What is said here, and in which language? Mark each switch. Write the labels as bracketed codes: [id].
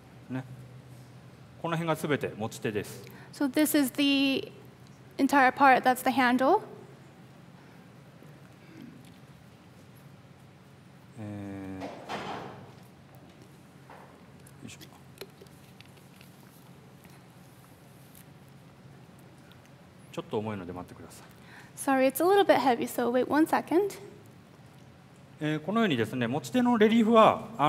[ja] ね、この辺がすべて持ち手です。 [en] So this is the entire part that's the handle. [ja] よいしょ。ちょっと重いので待ってください。 [en] Sorry, it's a little bit heavy, so wait one second. [ja] このようにですね、持ち手のレリーフは、